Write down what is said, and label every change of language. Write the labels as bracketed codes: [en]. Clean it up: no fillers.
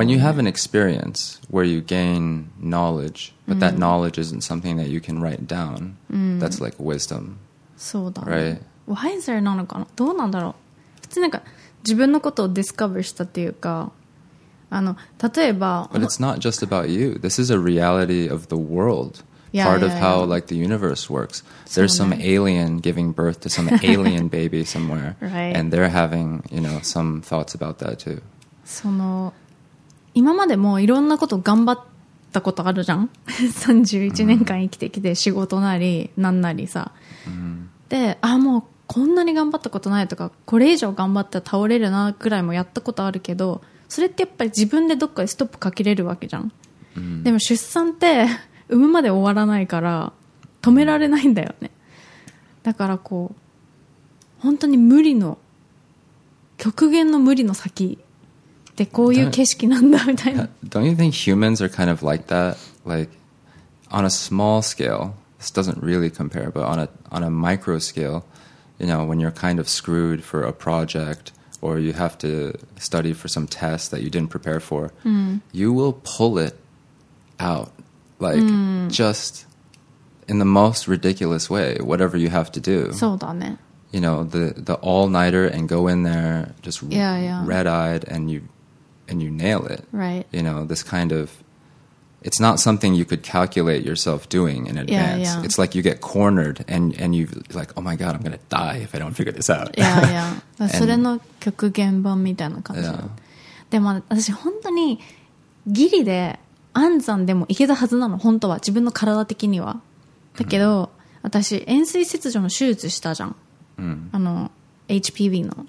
[en] When you have an experience where you gain knowledge, but that knowledge isn't something that you can write down, that's like wisdom. [ja] そうだね、 [en] right. [ja] Wiser なのかな、どうなんだろう。普通なんか自分のことをディスカバーしたっていうか、あの、例えば、 [en] But it's not just about you. This is a reality of the world. Part of how like the universe works. There's some alien giving birth to some alien baby somewhere. Right. And they're having, you know, some thoughts about that too. [ja] その、今までもいろんなこと頑張ったことあるじゃん。 31年間生きてきて仕事なりなんなりさ。で、あ、もうこんなに頑張ったことないとか、これ以上頑張ったら倒れるなぐらいもやったことあるけど、それってやっぱり自分でどっかでストップかけれるわけじゃん。でも出産って産むまで終わらないから止められないんだよね。だからこう本当に無理の極限の無理の先でこういう景色なんだみたいな。 [en] Don't you think humans are kind of like that? Like on a small scale, this doesn't really compare, but on a micro scale, you know, when you're kind of screwed for a project or you have to study for some test that you didn't prepare for, you will pull it outLike, just in the most ridiculous way, whatever you have to do. [ja] そうだね。 [en] You know, the all-nighter and go in there just red-eyed and you nail it. Right. You know, this kind of... It's not something you could calculate yourself doing in advance. Yeah, yeah. It's like you get cornered and you're like, oh my God, I'm going to die if I don't figure this out. Yeah, yeah. [ja] それの極限版みたいな感じ。でも私本当にギリで安産でも行けたはずなの本当は自分の体的にはだけど、うん、私延髄切除の手術したじゃん、うん、あの HPV の、